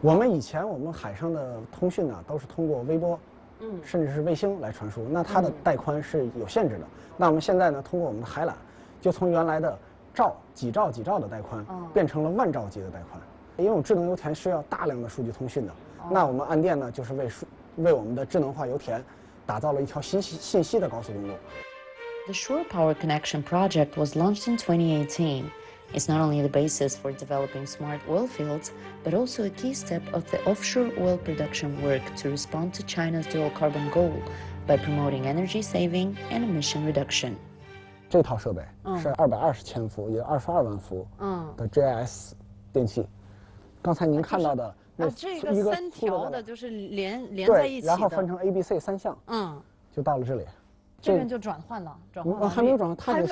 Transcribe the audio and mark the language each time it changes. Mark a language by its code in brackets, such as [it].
[zh] 我们以前我们海上的通讯呢，都是通过微波，甚至是卫星来传输，那它的带宽是有限制的。那我们现在呢，通过我们的海缆，就从原来的兆几兆几兆的带宽，变成了万兆级的带宽。因为我们智能油田需要大量的数据通讯的，那我们暗电呢，就是为我们的智能化油田，打造了一条信息的高速公路。 [en] The Shore Power Connection Project was launched in 2018. It's not only the basis for developing smart oil fields, but also a key step of the offshore oil production work to respond to China's dual carbon goal by promoting energy saving and emission reduction. [zh] 这套设备是220千伏，也22万伏的 GIS 电器。刚才您看到的那一个三条的，就是连在一起的，然后分成 ABC 三项，就到了这里。这边就转换了，还没有转换，它只是